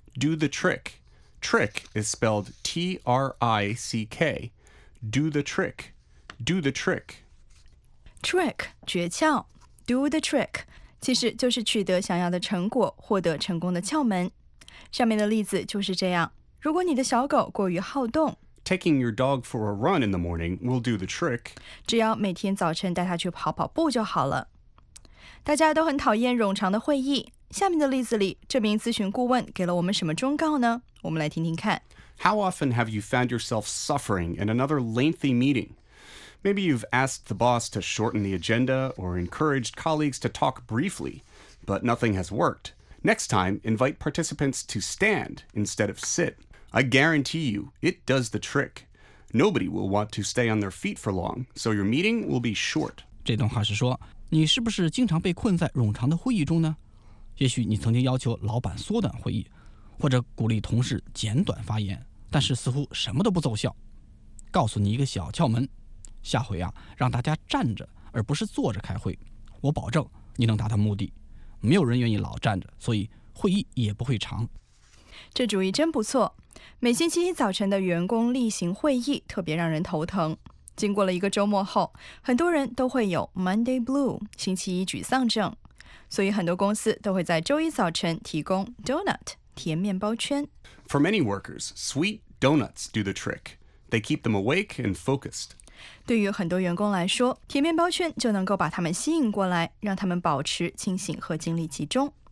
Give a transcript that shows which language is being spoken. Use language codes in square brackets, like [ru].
[en] Do the trick. Trick is spelled T-R-I-C-K. Do the trick. Do the trick. [zh] Trick, 诀窍 Do the trick. 其实就是取得想要的成果，获得成功的窍门。上面的例子就是这样。如果你的小狗过于好动 [en] Taking your dog for a run in the morning will do the trick. [zh] 只要每天早晨带它去跑跑步就好了。大家都很讨厌冗长的会议。下面的例子里，这名咨询顾问给了我们什么忠告呢？我们来听听看。 [en] How often have you found yourself suffering in another lengthy meeting? Maybe you've asked the boss to shorten the agenda or encouraged colleagues to talk briefly, but nothing has worked. Next time, invite participants to stand instead of sit. I guarantee you, it does the trick. Nobody will want to stay on their feet for long, so your meeting will be short. [zh] 这段话是说，你是不是经常被困在冗长的会议中呢？也许你曾经要求老板缩短会议，或者鼓励同事简短发言，但是似乎什么都不奏效。告诉你一个小窍门，下回啊，让大家站着而不是坐着开会，我保证你能达到目的。没有人愿意老站着，所以会议也不会长。这主意真不错。每星期一早晨的员工例行会议特别让人头疼。经过了一个周末后，很多人都会有 Monday Blue 星期一沮丧症。所以很多公司都会在周一早晨提供 donut 甜面包圈。 [en] For many workers, sweet donuts do the trick. They keep them awake and focused. [zh] 对于很多员工来说，甜面包圈就能够把他们吸引过来，让他们保持清醒和精力集中。